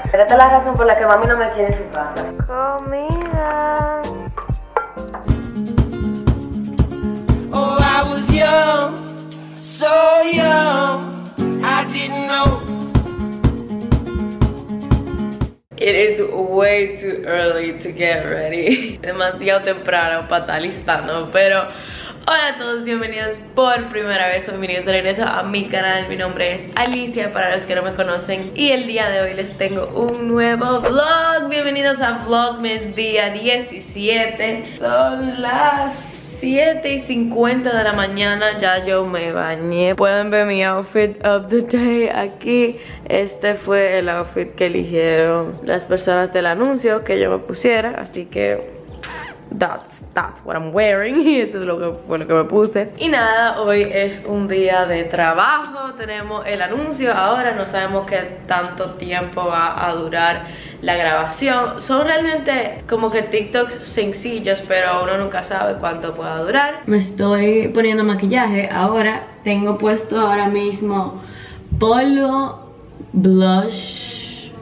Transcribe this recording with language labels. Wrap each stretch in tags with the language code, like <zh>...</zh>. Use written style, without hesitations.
<es>Pero esta es la razón por la que mami no me quiere en su casa. Comida.</es> <en>Oh, I was young, so young, I didn't know. It is way too early to get ready.</en> <es>Demasiado temprano para estar listando. Pero hola a todos, bienvenidos por primera vez. Bienvenidos de regreso a mi canal. Mi nombre es Alicia, para los que no me conocen. Y el día de hoy les tengo un nuevo vlog. Bienvenidos a Vlogmas día 17. Son las 7:50 de la mañana, ya yo me bañé. Pueden ver mi</es> <en>outfit of the day</en> <es>aquí. Este fue el outfit que eligieron las personas del anuncio que yo me pusiera. Así que</es> <en>that's what I'm wearing.</en> <es>Y eso es lo que me puse. Y nada, hoy es un día de trabajo. Tenemos el anuncio ahora. No sabemos qué tanto tiempo va a durar la grabación. Son realmente como que TikToks sencillos, pero uno nunca sabe cuánto pueda durar. Me estoy poniendo maquillaje ahora. Tengo puesto ahora mismo polvo, blush.</es>